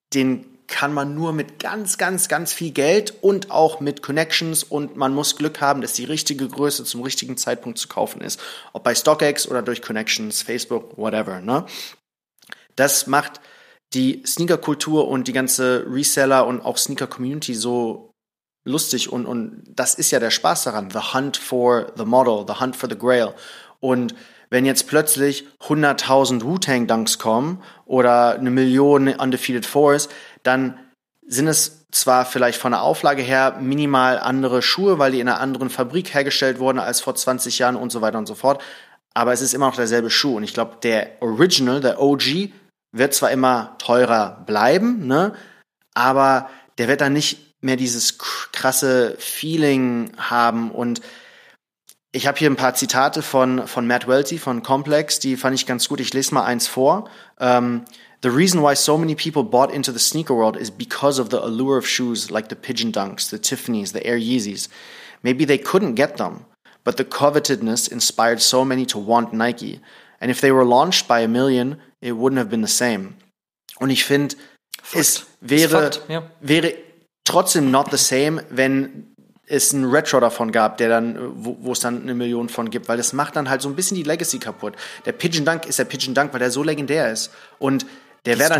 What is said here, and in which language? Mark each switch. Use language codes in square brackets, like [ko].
[de] Den kann man nur mit ganz, ganz, ganz viel Geld und auch mit Connections, und man muss Glück haben, dass die richtige Größe zum richtigen Zeitpunkt zu kaufen ist. Ob bei StockX oder durch Connections, Facebook, whatever. Ne? Das macht die Sneaker-Kultur und die ganze Reseller und auch Sneaker-Community so lustig, und das ist ja der Spaß daran. [en] The hunt for the model, the hunt for the grail. [de] Und wenn jetzt plötzlich 100.000 Wu-Tang Dunks kommen oder 1 Million Undefeated Fours, dann sind es zwar vielleicht von der Auflage her minimal andere Schuhe, weil die in einer anderen Fabrik hergestellt wurden als vor 20 Jahren und so weiter und so fort, aber es ist immer noch derselbe Schuh. Und ich glaube, der Original, der OG, wird zwar immer teurer bleiben, ne, aber der wird dann nicht mehr dieses krasse Feeling haben. Und ich habe hier ein paar Zitate von Matt Welty von Complex, die fand ich ganz gut. Ich lese mal eins vor. [en] The reason why so many people bought into the sneaker world is because of the allure of shoes like the Pigeon Dunks, the Tiffany's, the Air Yeezys. Maybe they couldn't get them, but the covetedness inspired so many to want Nike. And if they were launched by 1 million, it wouldn't have been the same. [de] Und ich finde, es wäre, wäre trotzdem [en] not the same, [de] wenn es einen Retro davon gab, der dann, wo es dann 1 Million von gibt, weil das macht dann halt so ein bisschen die Legacy kaputt. Der Pigeon Dunk ist der Pigeon Dunk, weil der so legendär ist. Und der wäre